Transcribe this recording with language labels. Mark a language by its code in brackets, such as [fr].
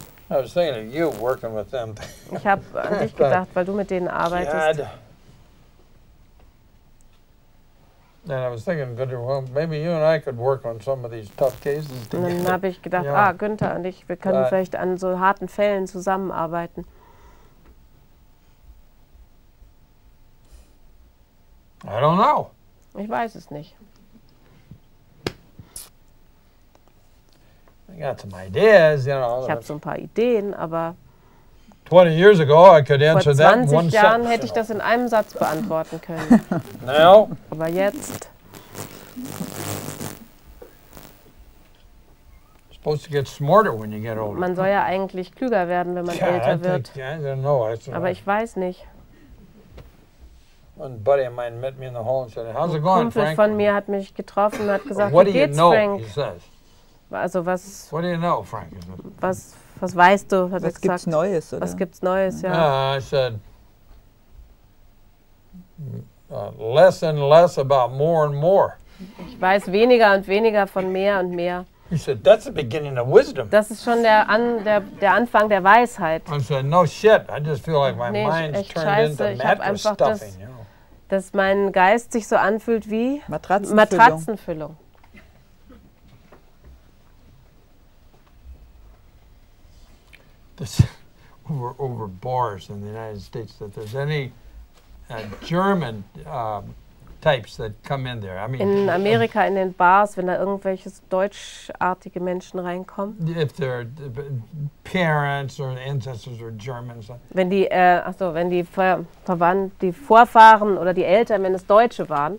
[en] I was thinking of you working with them. [de] Ich habe an dich gedacht, weil du mit denen arbeitest. [en] Then I was thinking, well, maybe you and I could work on some of these tough cases. [de] Und dann habe ich gedacht, Günther und ich, wir können vielleicht an so harten Fällen zusammenarbeiten. [en] I don't know. [de] Ich weiß es nicht. [en] I got some ideas, you know. [de] Ich habe so ein paar Ideen, aber [en] 20 years ago I could answer [de] vor 20 [en] that in one [de] Jahren [en] sentence, [de] hätte ich das in einem Satz beantworten können. [en] Now, [de] aber jetzt. [en] Supposed to get smarter when you get older. [de] Man soll ja eigentlich klüger werden, wenn man älter wird. Aber ich weiß nicht. [en] One buddy of mine met me in the hall and said, "How's it going, Frank?" [de] Ein Kumpel von mir hat mich getroffen und hat gesagt, [en] "What do [de] wie geht's, [en] you know?" [de] Frank? [en] He says. [de] Also was? [en] What do you know, Frank? [de] Was weißt du? Hat er gesagt. Gibt's Neues? Oder? Was gibt's Neues? Ja. [en] I said, "Less and less about more and more." [de] Ich weiß weniger und weniger von mehr und mehr. [en] He said, "That's the beginning of wisdom." [de] Das ist schon der Anfang der Weisheit. [en] I said, "No shit. I just feel like my mind's turned into mattress stuffing." [de] Das, dass mein Geist sich so anfühlt wie Matratzenfüllung. [en] This over bars in the United States that there's any German types that come in there. I mean, [de] in Amerika in den Bars, wenn da irgendwelche deutschartige Menschen reinkommen. [en] If their parents or ancestors are Germans. [de] Wenn die Vorfahren oder die Eltern, wenn es Deutsche waren.